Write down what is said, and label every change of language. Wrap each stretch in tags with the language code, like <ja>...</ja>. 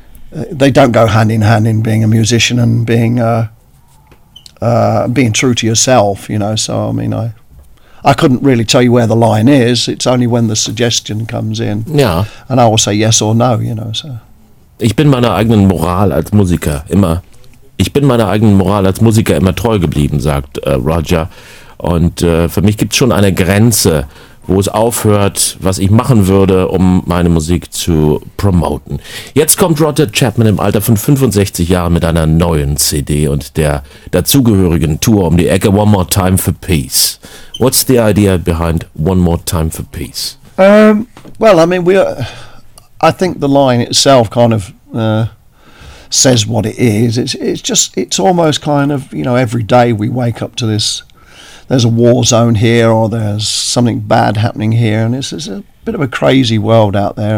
<en>they don't go hand in hand in being a musician and being being true to yourself, you know. So I mean, I couldn't really tell you where the line is. It's only when the suggestion comes in, yeah, and I will say yes or no, you know. So</en> <de>ich bin meiner eigenen Moral als Musiker immer treu geblieben, sagt Roger. Und für mich gibt's schon eine Grenze, wo es aufhört, was ich machen würde, um meine Musik zu promoten. Jetzt kommt Roger Chapman im Alter von 65 Jahren mit einer neuen CD und der dazugehörigen Tour um die Ecke, One More Time for Peace.</de> <en>What's the idea behind One More Time for Peace? Well, I mean, I think the line itself kind of says what it is. It's almost kind of, you know, every day we wake up to this. There's a war zone here, or there's something bad happening here, and it's a bit of a crazy world out there.</en>